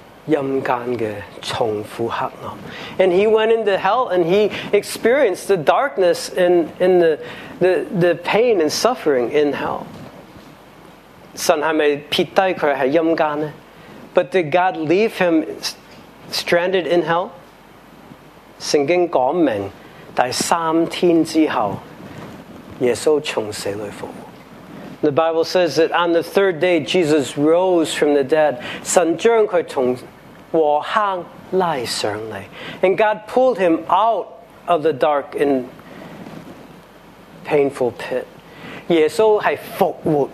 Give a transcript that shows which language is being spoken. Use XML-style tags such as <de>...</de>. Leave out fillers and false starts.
<zh>他落到阴间，是受这个阴间的重复黑暗。</zh> <en>And he went into hell and he experienced the darkness and the pain and suffering in hell.</en> <zh>神还没撇低他在阴间呢?</zh> <en>But did God leave him stranded in hell?</en> <zh>圣经说明，第三天之后，耶稣从死里复活。</zh> <en>The Bible says that on the third day, Jesus rose from the dead.</en> <zh>神将他从火坑拉上来。</zh> <en>And God pulled him out of the dark and painful pit.</en> <zh>耶稣是复活。</zh>